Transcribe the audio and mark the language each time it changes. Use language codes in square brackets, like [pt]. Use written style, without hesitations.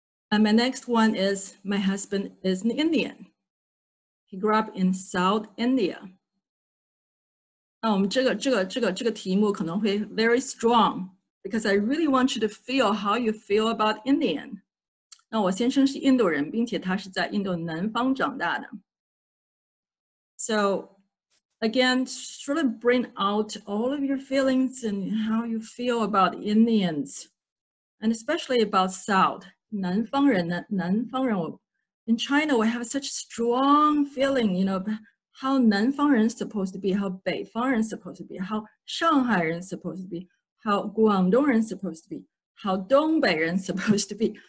[en] And my next one is, my husband is an Indian. He grew up in South India. [zh] 这个题目可能会 [en] very strong, because I really want you to feel how you feel about Indian. [zh] 那我先生是印度人，并且他是在印度南方长大的。 [en] So, again, sort of bring out all of your feelings and how you feel about Indians, and especially about South, 南方人 in China, we have such strong feeling, you know,how 南方人 supposed to be, how 北方人 supposed to be, how 上海人 supposed to be, how 广东人 supposed to be, how 东北人 supposed to be.